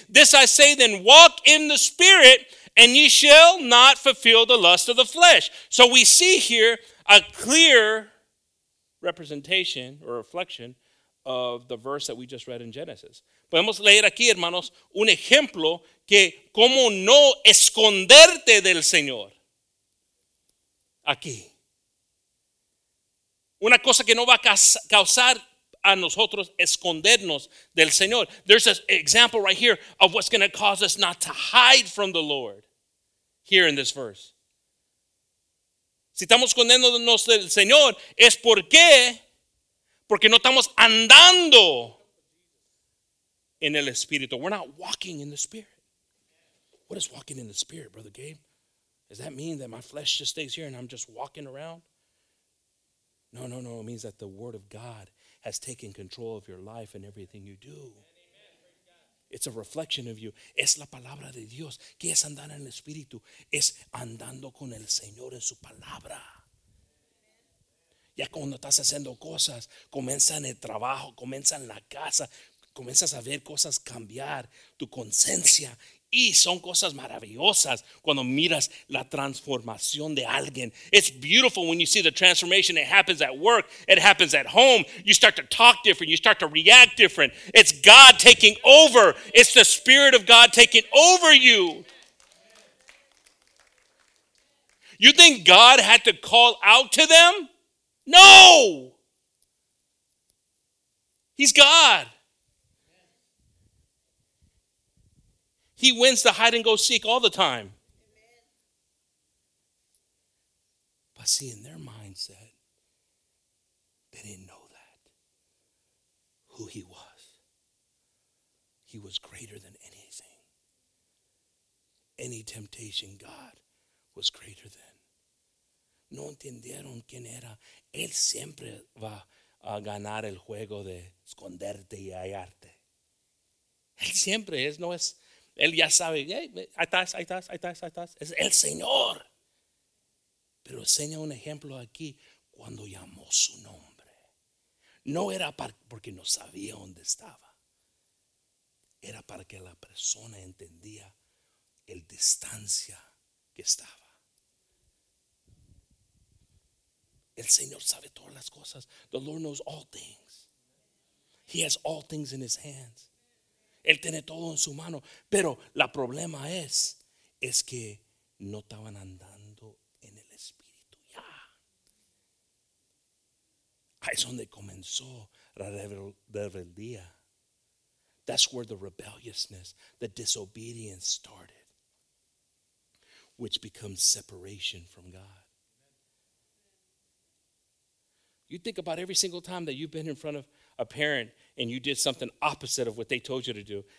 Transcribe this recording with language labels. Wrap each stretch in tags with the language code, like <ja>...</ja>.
<en>This I say then, walk in the Spirit, and ye shall not fulfill the lust of the flesh. So we see here a clear representation or reflection of the verse that we just read in Genesis.</en> <es>Podemos leer aquí, hermanos, un ejemplo que cómo no esconderte del Señor. Aquí. Una cosa que no va a causar a nosotros escondernos del Señor.</es> <en>There's an example right here of what's going to cause us not to hide from the Lord here in this verse.</en> <es>Si estamos escondiéndonos del Señor, es porque no estamos andando en el Espíritu.</es> <en>We're not walking in the Spirit. What is walking in the Spirit, Brother Gabe? Does that mean that my flesh just stays here and I'm just walking around? No. It means that the Word of God has taken control of your life and everything you do. It's a reflection of you.</en> <es>Es la palabra de Dios. ¿Qué es andar en el Espíritu? Es andando con el Señor en su palabra. Ya cuando estás haciendo cosas, comienzan el trabajo, comienzan la casa, comienzas a ver cosas cambiar, tu conciencia, y son cosas maravillosas cuando miras la transformación de alguien.</es> <en>It's beautiful when you see the transformation. It happens at work, it happens at home. You start to talk different, you start to react different. It's God taking over. It's the Spirit of God taking over you. You think God had to call out to them? No! He's God. He wins the hide and go seek all the time. But see, in their mindset, they didn't know that. Who he was. He was greater than anything. Any temptation, God was greater than.</en> <es>No entendieron quién era. Él siempre va a ganar el juego de esconderte y hallarte. Él siempre es, no es. Él ya sabe, hey, ahí estás. Es el Señor. Pero enseña un ejemplo aquí cuando llamó su nombre. No era porque no sabía dónde estaba. Era para que la persona entendía el distancia que estaba. El Señor sabe todas las cosas.</es> <en>The Lord knows all things. He has all things in his hands.</en> <es>Él tiene todo en su mano. Pero la problema es que no estaban andando en el Espíritu ya. Ahí es donde comenzó la rebeldía.</es> <en>That's where the rebelliousness, the disobedience started, which becomes separation from God. You think about every single time that you've been in front of a parent and you did something opposite of what they told you to do.</en>